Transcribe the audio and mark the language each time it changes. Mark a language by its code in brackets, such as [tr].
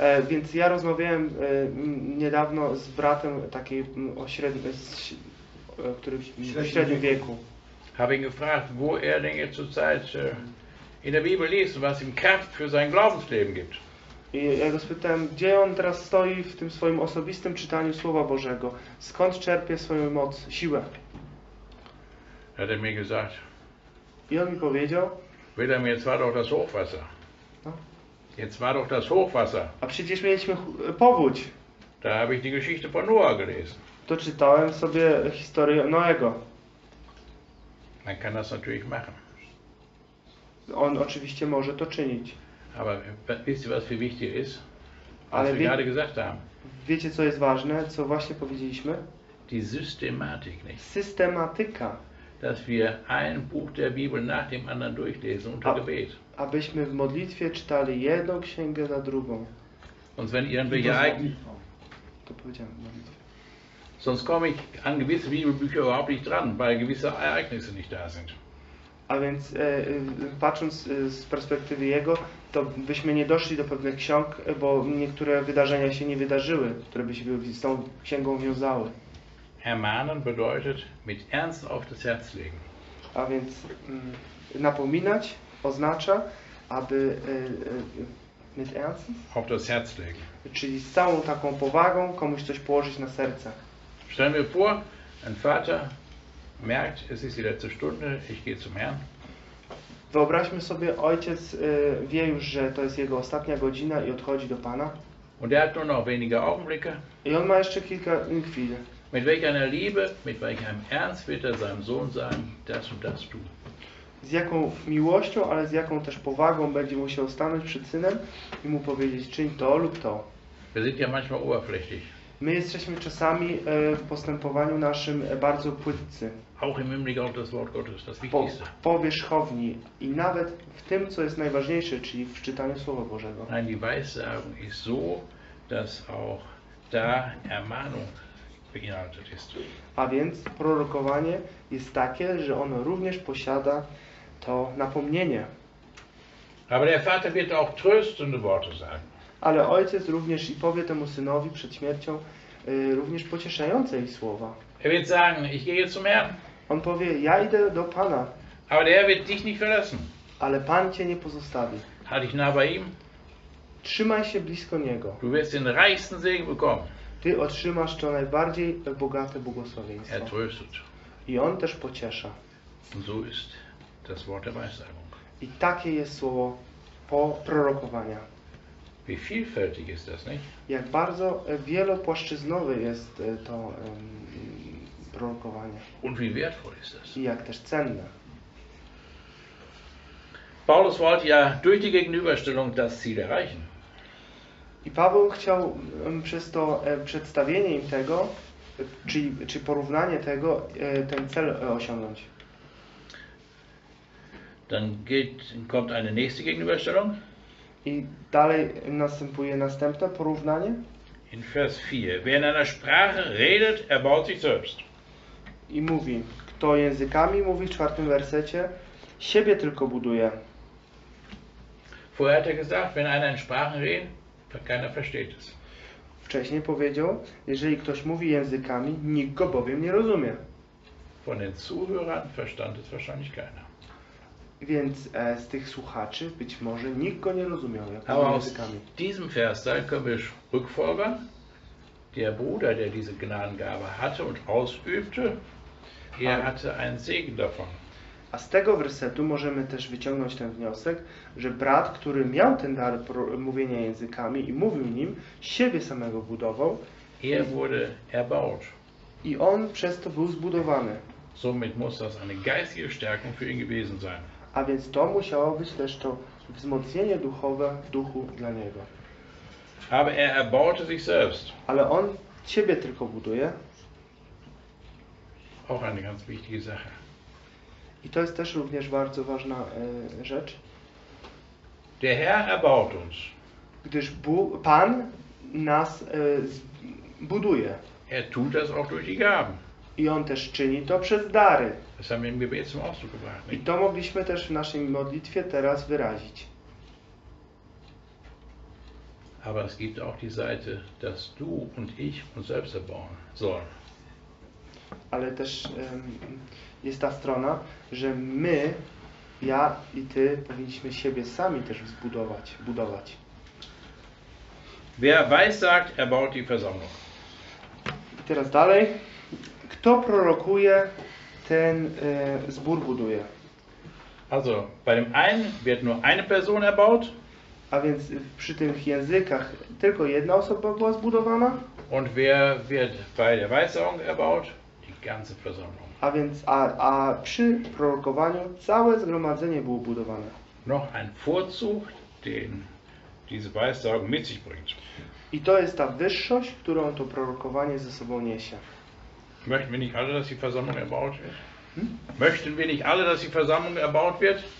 [pl] Więc ja rozmawiałem niedawno z bratem takiej o średnim wieku. [de] Habe ihn gefragt, wo denn jetzt zur Zeit in der Bibel liest, was ihm Kraft für sein Glaubensleben gibt. [pl] I ja go spytałem, gdzie on teraz stoi w tym swoim osobistym czytaniu Słowa Bożego. Skąd czerpie swoją moc, siłę? [de] Hat er mir gesagt. [pl] I on mi powiedział. [de] Wilhelm, jetzt war doch das Hochwasser. Jetzt war doch das Hochwasser. [pl] A przecież mieliśmy powódź. [de] Da habe ich die Geschichte von Noah gelesen. [pl] To czytałem sobie historię Noego. [de] Man kann das natürlich machen. [pl] On oczywiście może to czynić. [de] Aber wisst ihr, was viel wichtiger ist? Ale was wir gerade gesagt haben. [pl] Wiecie, co jest ważne, co właśnie powiedzieliśmy? [de] Die Systematik, nicht? [pl] Systematyka. [de] Dass wir ein Buch der Bibel nach dem anderen durchlesen unter Gebet. [pl] Abyśmy w modlitwie czytali jedną księgę za drugą. [de] Und wenn irgendwelche Ereignisse. [pl] To powiedziałem w modlitwie. [de] Sonst komme ich an gewisse Bibelbücher überhaupt nicht dran, weil gewisse Ereignisse nicht da sind. [pl] A więc patrząc z perspektywy jego, to byśmy nie doszli do pewnych ksiąg, bo niektóre wydarzenia się nie wydarzyły, które by się z tą księgą wiązały. [de] Ermahnen bedeutet mit ernst auf das Herz legen. [pl] A więc napominać oznacza, aby [de] mit ernst auf das Herz legen. [pl] Czyli z całą taką powagą komuś coś położyć na serce. [de] Stell mir vor, ein Vater merkt, es ist die letzte Stunde, ich gehe zum Herrn. [pl] Wyobraźmy sobie, ojciec wie już, że to jest jego ostatnia godzina i odchodzi do Pana. [de] Und er hat nur noch wenige Augenblicke. [pl] I on ma jeszcze kilka chwil. [de] Mit welcher Liebe, mit welchem Ernst wird er seinem Sohn sagen, das und das tun. [pl] Z jaką miłością, ale z jaką też powagą będzie musiał stanąć przed synem i mu powiedzieć, czyń to lub to. [de] Wir sind ja manchmal oberflächlich. [pl] My jesteśmy czasami w postępowaniu naszym bardzo płytcy. [de] Auch im Hinblick auf das Wort Gottes, das Wichtigste. [pl] Powierzchowni i nawet w tym, co jest najważniejsze, czyli w czytaniu Słowa Bożego. [de] Nein, die Weissagung ist so, dass auch da Ermahnung beinhaltet ist. [pl] A więc prorokowanie jest takie, że ono również posiada to napomnienie. [de] Aber der Vater wird auch tröstende Worte sagen. [pl] Ale ojciec również i powie temu synowi przed śmiercią również pocieszające ich słowa. [de] Er wird sagen, ich gehe zum Herrn. [pl] On powie, ja idę do Pana. [de] Aber der wird dich nicht verlassen. [pl] Ale Pan cię nie pozostawi. [de] Halt dich nah bei ihm. [pl] Trzymaj się blisko Niego. [de] Du wirst den reichsten Segen bekommen. [pl] Ty otrzymasz to najbardziej bogate błogosławieństwo. [de] Er tröstet. [pl] I on też pociesza. [de] So ist das Wort der Weissagung. [pl] I takie jest słowo po prorokowania. [de] Wie vielfältig ist das, nicht? [pl] Jak bardzo wielopłaszczyznowe jest to prorokowanie. [de] Und wie wertvoll ist das? [pl] I jak też cenne. [de] Paulus wollte ja durch die Gegenüberstellung das Ziel erreichen. [pl] I Paweł chciał przez to przedstawienie im tego, czy porównanie tego, ten cel osiągnąć. [de] Dann kommt eine nächste Gegenüberstellung. [pl] I dalej następuje następne porównanie. [de] In Vers 4. Wer in einer Sprache redet, erbaut sich selbst. [pl] I mówi, kto językami mówi w czwartym wersecie, siebie tylko buduje. [de] Vorher hat er gesagt, wenn einer in Sprachen redet, keiner versteht es. [pl] Wcześniej powiedział, jeżeli ktoś mówi językami, nikt go bowiem nie rozumie. [de] Von den Zuhörern verstand es wahrscheinlich keiner. [pl] Więc z tych słuchaczy być może nikt go nie rozumiał językami. [de] Aber aus diesem Vers können wir rückfolgern, der Bruder, der diese Gnadengabe hatte und ausübte, er hatte einen Segen davon. [pl] A z tego wersetu możemy też wyciągnąć ten wniosek, że brat, który miał ten dar mówienia językami i mówił nim, siebie samego budował. [de] Er wurde erbaut. [pl] I on przez to był zbudowany. [de] Somit muss das eine geistige Stärkung für ihn gewesen sein. [pl] A więc to musiało być też to wzmocnienie duchowe w duchu dla niego. [de] Aber er erbaute sich selbst. [pl] Ale on siebie tylko buduje. [de] Auch eine ganz wichtige Sache. [pl] I to jest też również bardzo ważna rzecz. [de] Der Herr erbaut uns. [pl] Gdyż Pan nas buduje. [de] Er tut das auch durch die Gaben. [pl] I on też czyni to przez dary. [de] Das haben wir im Gebet zum Ausdruck gebracht, nicht? [pl] I to mogliśmy też w naszej modlitwie teraz wyrazić. [de] Aber es gibt auch die Seite, dass du und ich uns selbst erbauen sollen. [pl] Ale też jest ta strona, że my, ja i ty, powinniśmy siebie sami też zbudować, budować. [de] Wer weissagt, erbaut die Versammlung. [pl] I teraz dalej. Kto prorokuje, ten zbór buduje. [de] Also, bei dem einen wird nur eine Person erbaut. [pl] A więc przy tych językach tylko jedna osoba była zbudowana. [de] Und wer wird bei der Weissagung erbaut? Ganze Versammlung. [pl] A więc a przy prorokowaniu całe zgromadzenie było budowane. [de] Noch ein Vorzug, den diese Weissagung mit sich bringt. [pl] I to jest ta wyższość, którą to prorokowanie ze sobą niesie. [de] Möchten wir nicht alle, dass die Versammlung erbaut wird? Möchten wir nicht alle, dass die Versammlung erbaut wird?